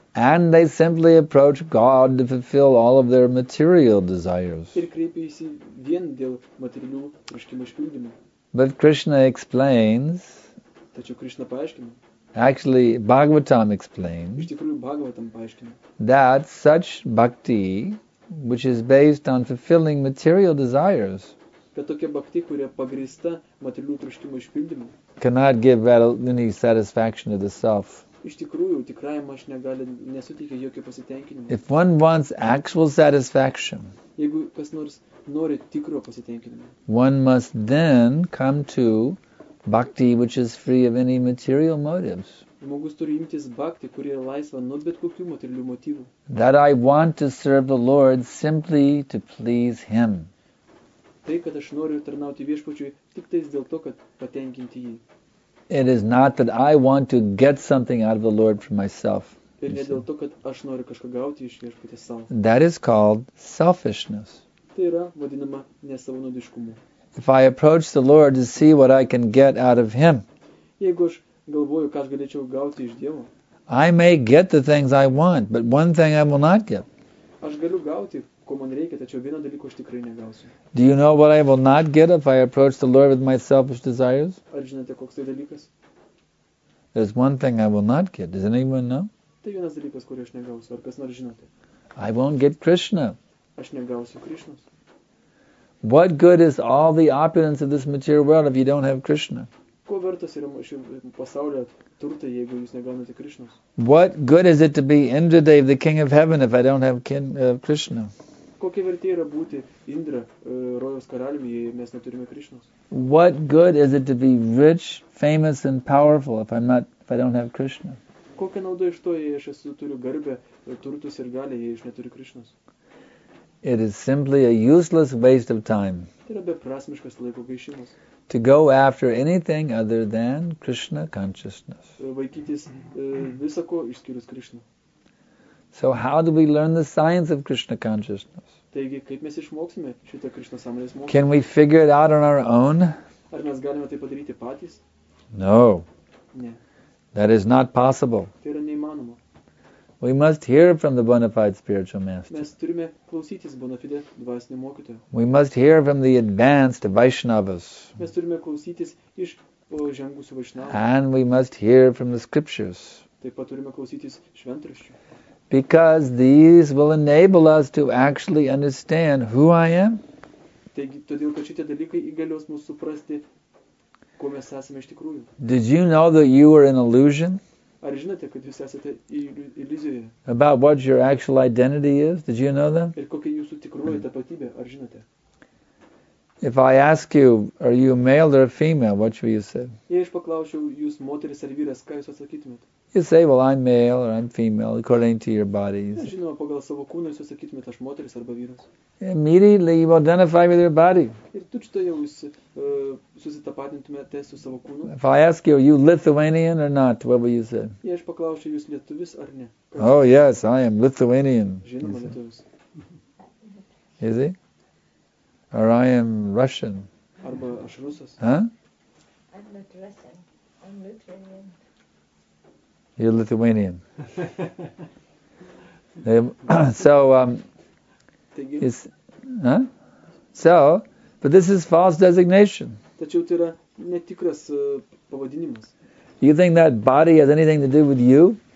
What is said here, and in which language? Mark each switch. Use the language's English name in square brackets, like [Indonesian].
[English] And they simply approach God to fulfill all of their material desires. [Lithuanian] Ir kreipiasi vien dėl materialių troškimų išpildymo. [English] But Krishna explains. [Lithuanian] Tačiau Krishna paaiškina. [English] Actually, Bhagavatam explains. [Lithuanian] Iš tikrųjų, Bhagavatam paaiškina. [English] That such bhakti. which is based on fulfilling material desires, [Lithuanian] bhakti, pagrįsta materialių troškimų išpildymu, [English] cannot give any satisfaction to the self. [Lithuanian] Iš tikrųjų, tikrajam aš negali, nesuteikia jokio pasitenkinimo. [English] If one wants actual satisfaction, [Lithuanian] jeigu kas nors nori tikro pasitenkinimo, [English] one must then come to bhakti, which is free of any material motives. [Lithuanian] Žmogus turi imtis bhakti, kuri yra laisva nuo bet kokių materialių motyvų. [English] That I want to serve the Lord simply to please Him. [Lithuanian] Tai, kad aš noriu tarnauti viešpačiui, tik tais dėl to, kad patenkinti jį. [English] It is not that I want to get something out of the Lord for myself. [Lithuanian] Ir ne dėl to, kad aš noriu kažką gauti iš viešpatės savo. [English] That is called selfishness. [Lithuanian] Tai yra vadinama nesavanaudiškumu. [English] If I approach the Lord to see what I can get out of Him, [Lithuanian] jeigu aš galvoju, ką aš galėčiau gauti iš Dievo, [English] I may get the things I want, but one thing I will not get. [Lithuanian] Aš galiu gauti, ko man reikia, tačiau vieną dalyką aš tikrai negausiu. [English] Do you know what I will not get if I approach the Lord with my selfish desires? [Lithuanian] Ar žinote, koks tai dalykas? [English] There's one thing I will not get. Does anyone know? [Lithuanian] Tai vienas dalykas, kurį aš negausiu. Ar kas nors žinote? [English] I won't get Krishna. [Lithuanian] Aš negausiu Krishnos. [English] What good is all the opulence of this material world if you don't have Krishna? [Lithuanian] Ko vertas yra šio pasaulio turtai, jeigu jūs negaunate Krishnos? [English] What good is it to be Indradev, the king of heaven, if I don't have Krishna? [Lithuanian] Kokia vertė yra būti Indra, rojos karaliumi, jei mes neturime Krishnos? [English] What good is it to be rich, famous and powerful if I don't have Krishna? [Lithuanian] Kokia nauda iš to, jei aš esu turiu garbę, turtus ir galią, jei aš neturiu Krishnos? [English] It is simply a useless waste of time. [Lithuanian] Tai yra beprasmiškas laiko gaišimas. [English] To go after anything other than Krishna consciousness. [Lithuanian] Vaikytis visa ko išskyrus Krishna. [English] So how do we learn the science of Krishna consciousness? [Lithuanian] Taigi, kaip mes išmoksime šitą Krishna sąmonės mokymą? [English] Can we figure it out on our own? [Lithuanian] Ar mes galime tai padaryti patys? [English] No. [Lithuanian] Ne. [English] That is not possible. [Lithuanian] Tai yra neįmanoma. [English] We must hear from the bona fide spiritual master. [Lithuanian] Mes turime klausytis bona fide dvasinio mokytojo. [English] We must hear from the advanced Vaishnavas. [Lithuanian] Mes turime klausytis iš pažengusių Vaishnavų. [English] And we must hear from the scriptures. [Lithuanian] Taip pat turime klausytis šventraščių. [English] Because these will enable us to actually understand who I am. [Lithuanian] Taigi, todėl, kad šitie dalykai įgalios mus suprasti, kuo mes esame iš tikrųjų. [English] Did you know that you were an illusion? [Lithuanian] Ar žinote, kad jūs esate iliuzijoje? [English] About what your actual identity is? Did you know that? [Lithuanian] Ir kokia jūsų tikroji tapatybė, ar žinote? [English] If I ask you, are you male or female, what should you say? [Lithuanian] Jei aš paklausiu jūs moteris ar vyras, ką jūs atsakytumėte? [English] You say, well, I'm male or I'm female, according to your body. [Lithuanian] Žinoma, pagal savo kūną jūs atsakytumėte, aš moteris arba vyras. [English] Immediately you identify with your body. [Lithuanian] Ir tučto jau jūs susitapatintumėte su savo kūnu. [English] If I ask you, are you Lithuanian or not, what will you say? [Lithuanian] Jei aš paklausiu jūs lietuvis ar ne? [English] Oh, yes, I am Lithuanian. [Lithuanian] Žinoma, lietuvis. [English] Is he? Or I am Russian. [Lithuanian] Arba aš Rusas. Huh? [English] I'm not Russian. I'm Lithuanian. You're Lithuanian. but this is false designation. [Lithuanian] Tačiau tai yra netikras pavadinimas. [English] You think that body has anything to do with you?